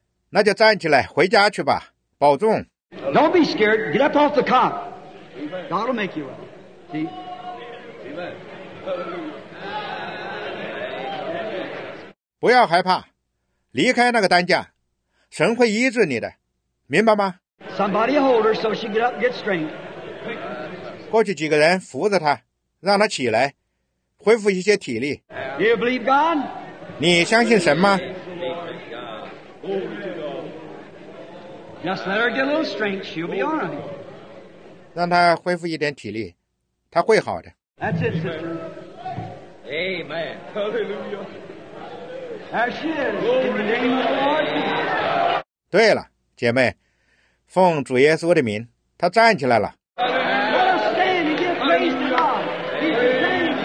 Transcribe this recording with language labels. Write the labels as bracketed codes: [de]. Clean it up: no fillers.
[zh] 那就站起来回家去吧，保重。 [en] Don't be scared. Get up off the cot. God will make you well. See? Amen. [zh] 不要害怕，离开那个担架，神会医治你的，明白吗？ [en] Somebody hold her so she get up and get strength. [zh] 过去几个人扶着她，让她起来，恢复一些体力。 [en] Do you believe God? [zh] 你相信神吗？ [en] Just let her get a little strength. She'll be all right. [zh] 让她恢复一点体力，她会好的。 [en] That's it, sister. Amen. Hallelujah. There she is. In the name of the Lord Jesus. [zh] 对了，姐妹，奉主耶稣的名，她站起来了。 [en] Let us stand and give praise to God. He's the same.